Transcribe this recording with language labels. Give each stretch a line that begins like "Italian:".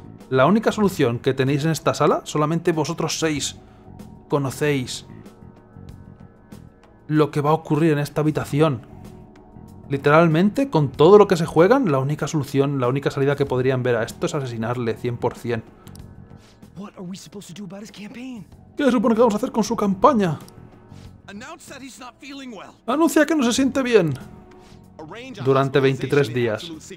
Spanish: La única solución que tenéis en esta sala, solamente vosotros seis conocéis lo que va a ocurrir en esta habitación. Literalmente, con todo lo que se juegan, la única solución, la única salida que podrían ver a esto es asesinarle, 100%.
English: What are we supposed to do about his campaign?
Spanish: ¿Qué se supone que vamos a hacer con su campaña? Anuncia que no se siente bien durante 23 días.